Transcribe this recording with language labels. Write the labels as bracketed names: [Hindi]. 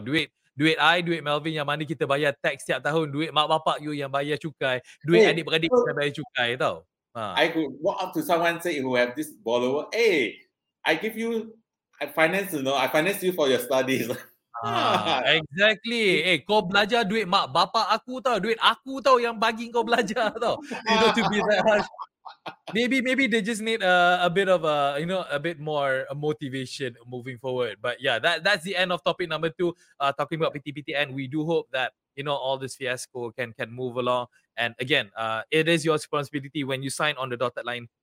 [Malay] Duit Melvin yang mana kita bayar tax tiap tahun. Duit mak bapak you yang bayar cukai. Duit adik-beradik kita bayar cukai tau. [English] I could walk up to someone say who have this borrower, hey, I finance you for your studies. [Malay] Exactly. Kau belajar duit mak bapak aku tau. Duit aku tau yang bagi kau belajar tau. [English] You know, to be that harsh. Maybe they just need a bit more motivation moving forward. But yeah, that's the end of topic number two. Talking about PTPTN, we do hope that, you know, all this fiasco can move along. And again, it is your responsibility when you sign on the dotted line.